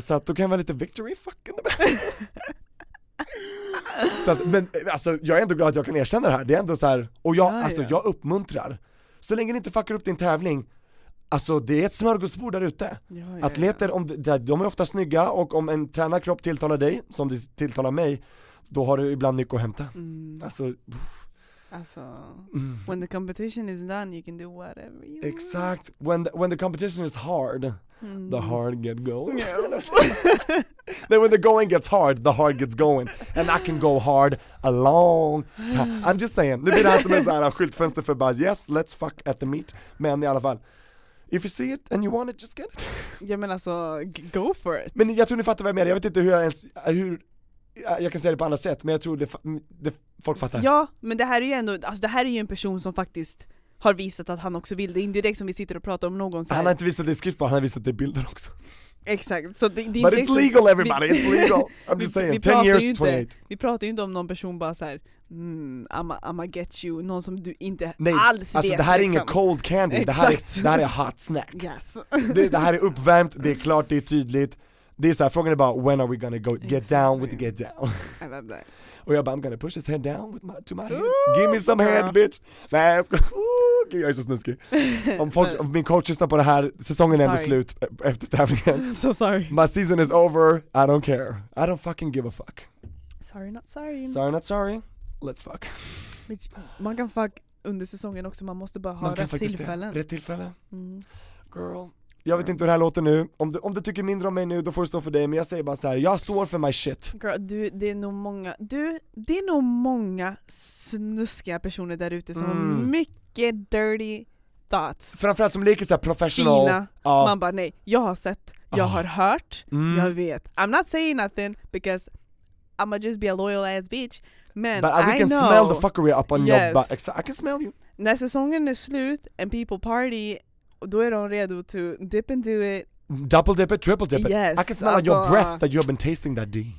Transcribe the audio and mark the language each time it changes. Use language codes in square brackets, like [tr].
[sv] Så att då kan vara lite [en] victory fucking [sv] the så att, men alltså, jag är ändå glad att jag kan erkänna det här. Det är ändå så här, och jag, alltså, jag uppmuntrar. Så länge ni inte fuckar upp din tävling. Alltså det är ett smörgåsbord där ute. Atleter, de är ofta snygga, och om en tränarkropp tilltalar dig som det tilltalar mig, då har du ibland mycket att hämta. Mm. Alltså, [en] when the competition is done, you can do whatever you want. [sv] Exakt. [en] When the competition is hard, the hard get going. Yes. Then when the going gets hard, the hard gets going. And I can go hard a long time. I'm just saying. [sv] Det blir det här som är så här, skyltfönster för bara, [en] yes, let's fuck at the meet. [sv] Men i alla fall, [en] if you see it and you want it, just get it. [sv] Ja, men alltså, [en] go for it. [sv] Men jag tror ni fattar vad jag menar. Jag vet inte hur jag ens... Jag kan säga det på andra sätt, men jag tror det folk fattar. Ja, men det här är ju ändå, alltså det här är ju en person som faktiskt har visat att han också vill det. Indirekt som vi sitter och pratar om någon. Han har inte visat det i skrift, bara han har visat det i bilder också. Exakt. Så det [en] but it's legal everybody, it's legal. I'm just saying, 10 years, 28. [sv] Vi pratar ju inte om någon person bara så här, [en] I'ma get you. [sv] Någon som du inte nej, alls vet. Alltså det här är liksom. Inget [en] cold candy, [sv] det här är [en] hot snack. [sv] Yes. Det här är uppvärmt, det är klart, det är tydligt. [en] This I'm talking about when are we gonna go get down with the get down. I love that. Oh yeah, but I'm gonna push his head down with my head. Give me some head, bitch. Let's go. [sv] Jag är så snuskig. Om min coach lyssnar på det här, säsongen är ändå slut efter tävlingen. [en] I'm so sorry. My season is over. I don't care. I don't fucking give a fuck. Sorry, not sorry. Sorry, not sorry. Let's fuck. [sv] Man kan fuck under säsongen också. Man måste bara ha rätt tillfällen. Rätt tillfälle. Girl. Jag vet inte hur det här låter nu. Om du tycker mindre om mig nu, då får du stå för dig. Men jag säger bara så här, jag står för [en] my shit. [sv] Girl, det är nog många snuskiga personer där ute som har mycket [en] dirty thoughts. [sv] Framförallt som leker så här professional. Fina. Man bara, nej, jag har sett, jag har hört, jag vet. [en] I'm not saying nothing because I'ma just be a loyal ass bitch. [sv] Men [en] but I can know. Smell the fuckery up on your butt. I can smell you. [sv] När säsongen är slut [en] and people party, [sv] då är de redo [en] to dip and do it. Double dip it, triple dip it. Yes, I can smell on your breath that you have been tasting that D.